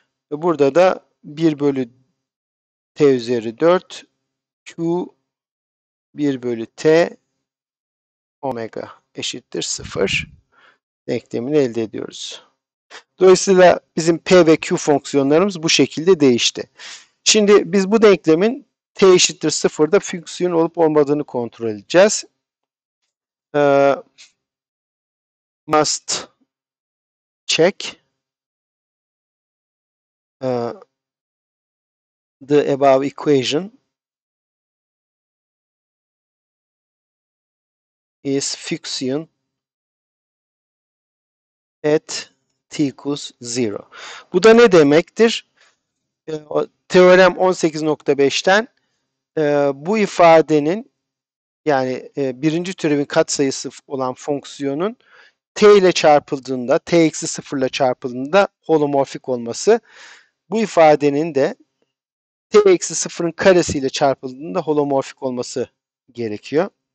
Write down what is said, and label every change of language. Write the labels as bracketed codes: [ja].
[tr] Burada da 1 bölü t üzeri 4 q 1 bölü t omega eşittir 0 denklemini elde ediyoruz. Dolayısıyla bizim p ve q fonksiyonlarımız bu şekilde değişti. Şimdi biz bu denklemin t eşittir sıfırda fonksiyon olup olmadığını kontrol edeceğiz. [en] Must check the above equation is fonksiyon at t equals 0. [tr] Bu da ne demektir? Teorem 18.5'ten bu ifadenin yani birinci türevin katsayısı olan fonksiyonun t ile çarpıldığında t eksi sıfırla çarpıldığında holomorfik olması, bu ifadenin de t eksi sıfırın karesi ile çarpıldığında holomorfik olması gerekiyor.